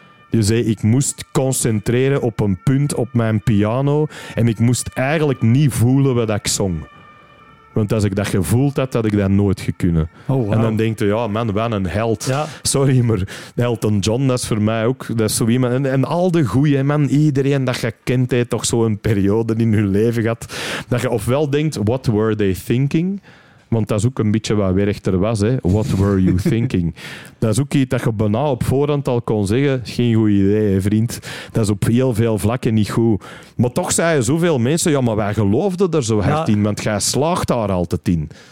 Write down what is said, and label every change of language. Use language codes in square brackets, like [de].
[nl] Je zei, ik moest concentreren op een punt op mijn piano en ik moest eigenlijk niet voelen wat ik zong. Want als ik dat gevoeld had, had ik dat nooit gekund. Oh, wow. En dan denk je, ja, man, wat een held. Ja. Sorry, maar Elton John, dat is voor mij ook... Dat is zo iemand. En al de goeie, man, iedereen dat je kent, heeft toch zo'n periode in je leven gehad. Dat je ofwel denkt, [en] what were they thinking... [nl] Want dat is ook een beetje wat Werchter was, hè. [en] What were you thinking? [nl] Dat is ook iets dat je bijna op voorhand al kon zeggen. Geen goed idee, hè, vriend. Dat is op heel veel vlakken niet goed. Maar toch zeiden zoveel mensen, ja, maar wij geloofden er zo hard in, want jij slaagt daar altijd in.